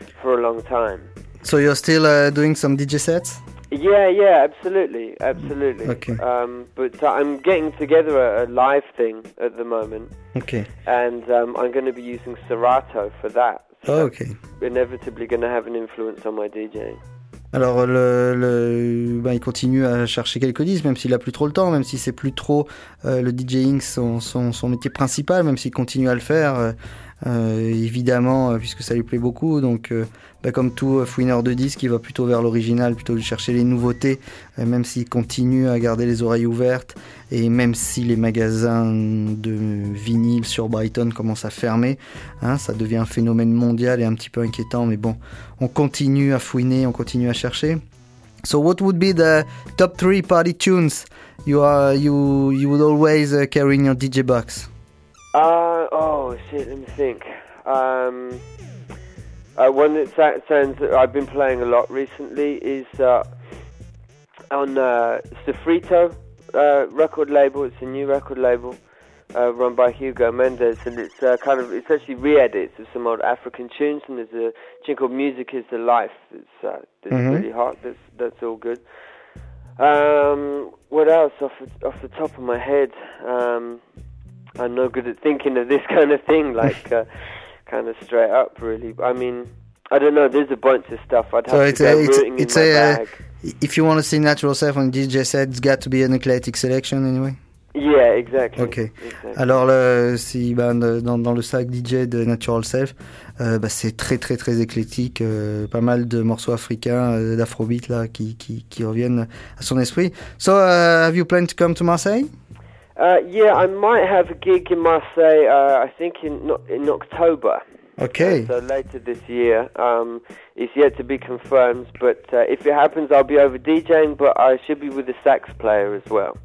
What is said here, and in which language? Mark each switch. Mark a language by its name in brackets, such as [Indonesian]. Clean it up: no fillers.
[English] for a long time. So you're still doing some DJ sets? Yeah, absolutely. Okay. But I'm getting together a live thing at the moment. Okay. And I'm going to be using Serato for that. So oh, okay. Inevitably going to have an influence on my DJing. [French] Alors, il continue à chercher quelques disques, même s'il a plus trop le temps, même si c'est plus trop le DJing son métier principal, même s'il continue à le faire. Évidemment, puisque ça lui plaît beaucoup, donc comme tout fouineur de disques, il va plutôt vers l'original, plutôt chercher les nouveautés, même s'il continue à garder les oreilles ouvertes, et même si les magasins de vinyle sur Brighton commencent à fermer, hein, ça devient un phénomène mondial et un petit peu inquiétant, mais bon, on continue à fouiner, on continue à chercher. [English] So what would be the top 3 party tunes you would always carry in your DJ box? Let me think. One that sounds that I've been playing a lot recently is on Sofrito record label. It's a new record label run by Hugo Mendes, and it's actually re-edits of some old African tunes, and there's a tune called Music is the Life that's mm-hmm. really hot, that's all good. What else off the top of my head? I'm no good at thinking of this kind of thing, like kind of straight up, really. I mean, I don't know. There's a bunch of stuff I'd have to go rooting in my bag. If you want to see Natural Self on DJ set, it's got to be an eclectic selection, anyway. Yeah, exactly. Okay. Exactly. [French] Alors, dans le sac DJ de Natural Self, c'est très très très éclectique. Pas mal de morceaux africains, d'afrobeat là, qui reviennent à son esprit. [English] So, have you planned to come to Marseille? Yeah, I might have a gig in Marseille, I think in October. Okay. So later this year. It's yet to be confirmed, but if it happens, I'll be over DJing, but I should be with a sax player as well.